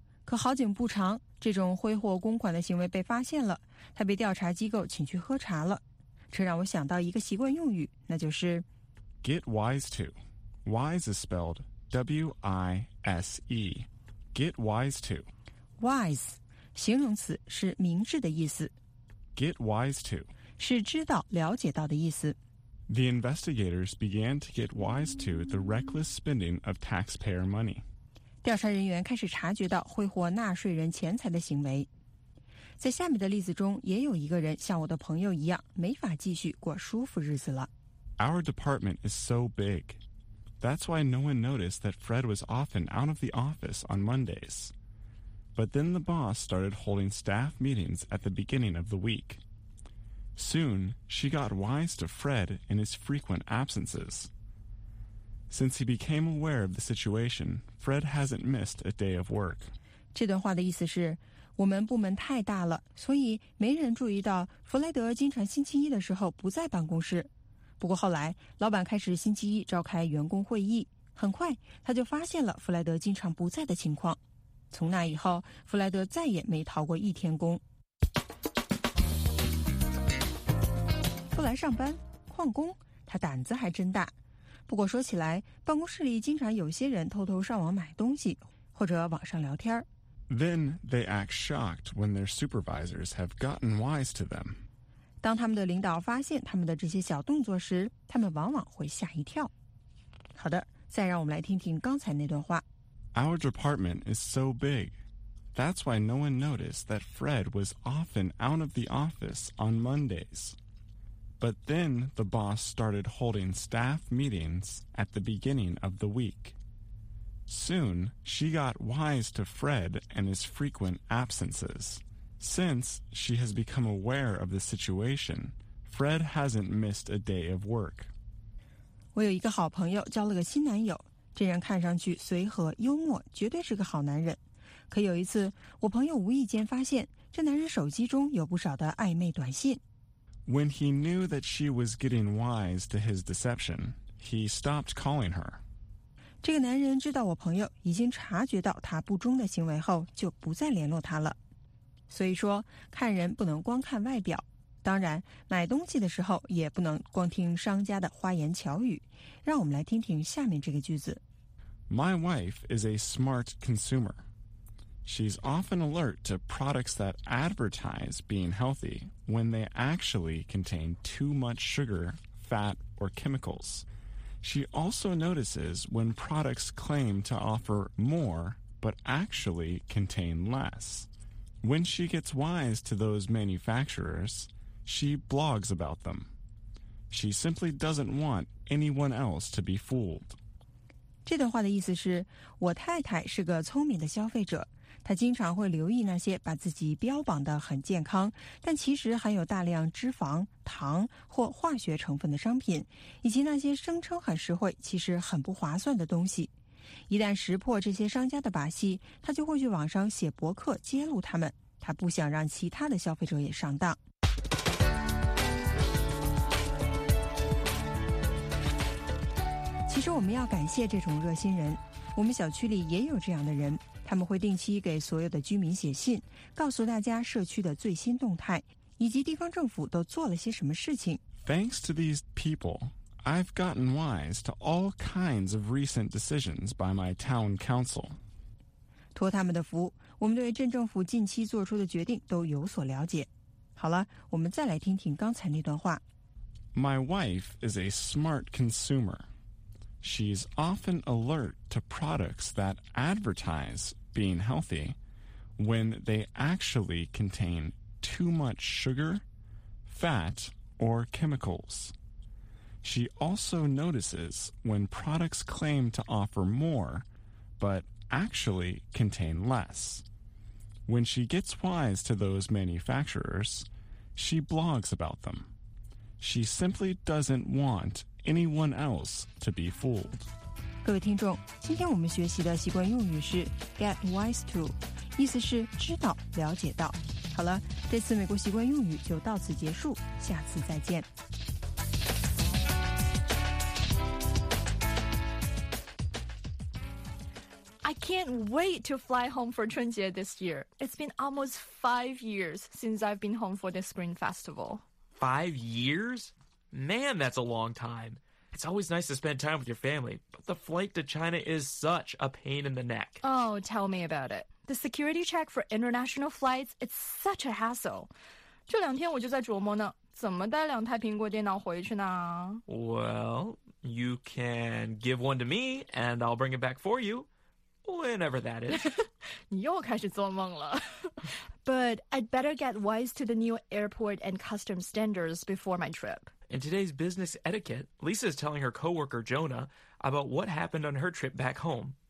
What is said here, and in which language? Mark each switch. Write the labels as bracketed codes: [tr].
[zh] 可好景不长，这种挥霍公款的行为被发现了，他被调查机构请去喝茶了。这让我想到一个习惯用语，那就是 [en] Get wise to. Wise is spelled W-I-S-E. Get wise to. [zh] Wise, 形容词，是明智的意思。 [en] Get wise to. [zh] 是知道、了解到的意思。 [en] The investigators began to get wise to the reckless spending of taxpayer money. [zh] 调查人员开始察觉到挥霍纳税人钱财的行为。在下面的例子中，也有一个人像我的朋友一样，没法继续过舒服日子了。 [en] Our department is so big. That's why no one noticed that Fred was often out of the office on Mondays. But then the boss started holding staff meetings at the beginning of the week. Soon, she got wise to Fred and his frequent absences. Since he became aware of the situation, Fred hasn't missed a day of work. [zh] 这段话的意思是，我们部门太大了，所以没人注意到弗雷德经常星期一的时候不在办公室。不过后来，老板开始星期一召开员工会议，很快他就发现了弗雷德经常不在的情况。从那以后，弗雷德再也没逃过一天工。后来上班旷工，他胆子还真大。不过说起来，办公室里经常有些人偷偷上网买东西，或者网上聊天。 [en] Then they act shocked when their supervisors have gotten wise to them. [zh] 当他们的领导发现他们的这些小动作时，他们往往会吓一跳。好的，再让我们来听听刚才那段话。 [en] Our department is so big. That's why no one noticed that Fred was often out of the office on Mondays. But then the boss started holding staff meetings at the beginning of the week. Soon, she got wise to Fred and his frequent absences. Since she has become aware of the situation, Fred hasn't missed a day of work. [zh] 我有一个好朋友交了个新男友，这人看上去随和幽默，绝对是个好男人。可有一次，我朋友无意间发现这男人手机中有不少的暧昧短信。 [en] When he knew that she was getting wise to his deception, he stopped calling her. [zh] 这个男人知道我朋友已经察觉到他不忠的行为后，就不再联络他了。所以说，看人不能光看外表。当然，买东西的时候也不能光听商家的花言巧语。让我们来听听下面这个句子。 [en] My wife is a smart consumer. She's often alert to products that advertise being healthy. When they actually contain too much sugar, fat, or chemicals. She also notices when products claim to offer more, but actually contain less. When she gets wise to those manufacturers, she blogs about them. She simply doesn't want anyone else to be fooled. [zh] 这段话的意思是，我太太是个聪明的消费者。他经常会留意那些把自己标榜得很健康，但其实含有大量脂肪、糖或化学成分的商品，以及那些声称很实惠，其实很不划算的东西。一旦识破这些商家的把戏，他就会去网上写博客揭露他们。他不想让其他的消费者也上当。其实我们要感谢这种热心人，我们小区里也有这样的人。他们会定期给所有的居民写信，告诉大家社区的最新动态，以及地方政府都做了些什么事情。 [en] Thanks to these people, I've gotten wise to all kinds of recent decisions by my town council. [zh] 托他们的福，我们对镇政府近期做出的决定都有所了解。好了，我们再来听听刚才那段话。 [en] My wife is a smart consumer. She's often alert to products that advertise being healthy when they actually contain too much sugar, fat, or chemicals. She also notices when products claim to offer more, but actually contain less. When she gets wise to those manufacturers, she blogs about them. She simply doesn't want anyone else to be fooled. [zh] 各位听众，今天我们学习的习惯用语是 [en] get wise to， [zh] 意思是知道、了解到。好了，这次美国习惯用语就到此结束，下次再见。 [en] I can't wait to fly home for 春节 this year. It's been almost 5 years since I've been home for the Spring Festival. 5 years? Man, that's a long time. It's always nice to spend time with your family, but the flight to China is such a pain in the neck. Oh, tell me about it. The security check for international flights, it's such a hassle. [zh] 这两天我就在琢磨呢，怎么带两台苹果电脑回去呢？ [en] Well, you can give one to me, and I'll bring it back for you, whenever that is. [zh] 你又开始做梦了。 [en] But I'd better get wise to the new airport and customs standards before my trip. In today's business etiquette, Lisa is telling her coworker Jonah about what happened on her trip back home.